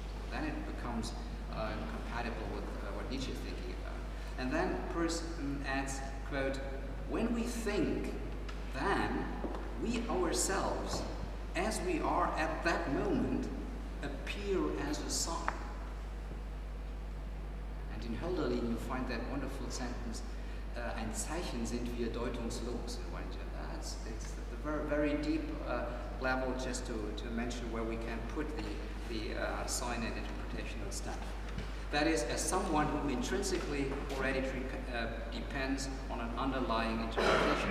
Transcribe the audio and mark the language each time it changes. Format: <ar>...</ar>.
<en>Then it becomes compatible with what Nietzsche is thinking about. And then Peirce adds, quote, when we think, then we ourselves, as we are at that moment, appear as a sign. In Hölderlin, you find that wonderful sentence,</en> <de>ein Zeichen sind wir deutungslos.</de> <en>That's it's the very, very deep level, just to mention where we can put the sign and interpretational stuff. That is, as someone who intrinsically already depends on an underlying interpretation.</en>